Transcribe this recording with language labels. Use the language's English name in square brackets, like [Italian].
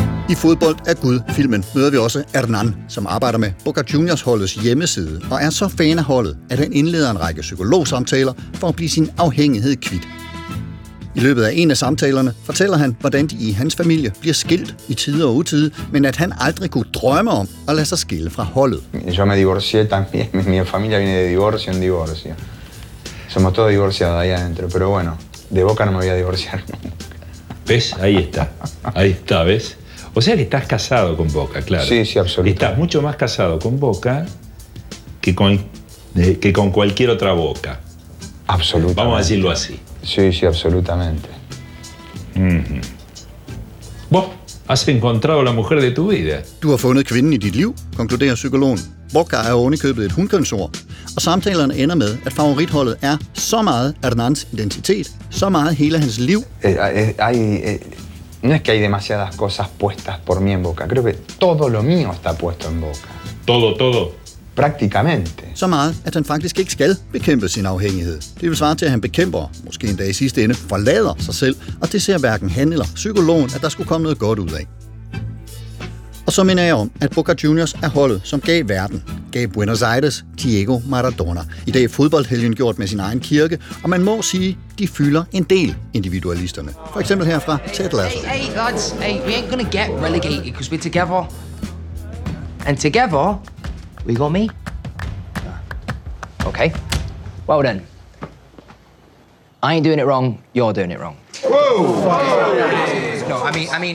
[Danish] I Fodbold er Gud filmen møder vi også Hernán, som arbejder med Boca Juniors holdets hjemmeside, og er så fan af holdet, at han indleder en række psykologsamtaler for at blive sin afhængighed kvit. I løbet af en af samtalerne fortæller han, hvordan de i hans familie bliver skilt i tide og utide, men at han aldrig kunne drømme om at lade sig skille fra holdet. [Spanish] Jeg me divorcié también. Mi familia viene de divorcio en divorcio. Somos todos divorciados ahí adentro, pero bueno, de Boca no me voy a divorciar. ¿Ves? Ahí está, ¿ves? O sea que estás casado con Boca, claro. Sí, absolutamente. Estás mucho más casado con Boca que con que con cualquier otra boca. Absolutamente. Vamos a decirlo así. Sí, sí, absolutamente. Vos has encontrado la mujer de tu vida. [Danish] Du har fundet kvinden i dit liv, konkluderer psykologen. Boca er ovenikøbet et hunkønsord, og samtalen ender med, at favoritholdet er så meget Hernans identitet, så meget hele hans liv. [Spanish] No es que hay demasiadas cosas puestas por mí en Boca. Creo que todo lo mío está puesto en Boca. Todo, todo. Prácticamente. [Danish] Så meget, at han faktisk ikke skal bekæmpe sin afhængighed. Det vil svare til, at han bekæmper, måske endda i sidste ende, forlader sig selv, og det ser hverken han eller psykologen, at der skulle komme noget godt ud af. Og så minder jeg om, at Boca Juniors er holdet, som gav verden. Gav Buenos Aires Diego Maradona. I dag fodboldhelgen gjort med sin egen kirke, og man må sige, de fylder en del individualisterne. For eksempel herfra Ted Lasso. [English] Hey, lads. Hey, we ain't gonna get relegated, because we're together. And together, we got me. Okay. Well then. I ain't doing it wrong, you're doing it wrong. Whoa! Whoa.